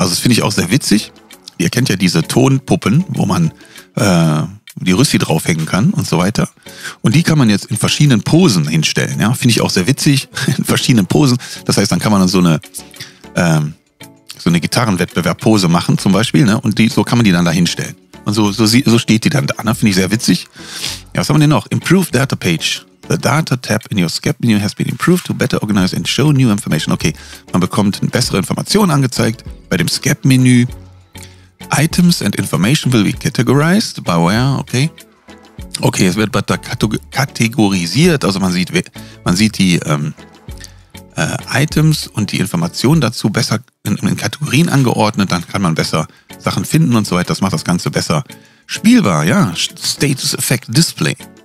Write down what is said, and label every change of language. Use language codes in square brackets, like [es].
[de] Also das finde ich auch sehr witzig. Ihr kennt ja diese Tonpuppen, wo man die Rüssi draufhängen kann und so weiter. Und die kann man jetzt in verschiedenen Posen hinstellen. Ja, finde ich auch sehr witzig, in verschiedenen Posen. Das heißt, dann kann man so eine Gitarrenwettbewerb-Pose machen zum Beispiel, ne? Und die, so kann man die dann da hinstellen. Und so steht die dann da, ne? Finde ich sehr witzig. Ja, was haben wir denn noch? [en] Improved Data Page. The Data Tab in your SCAP menu has been improved to better organize and show new information. [de] Okay, man bekommt eine bessere Informationen angezeigt bei dem SCAP Menü. [en] Items and information will be categorized by where, okay. [de] Okay, es wird kategorisiert, also man sieht die Items und die Informationen dazu besser in Kategorien angeordnet, dann kann man besser Sachen finden und so weiter. Das macht das Ganze besser spielbar, ja. Status Effect Display.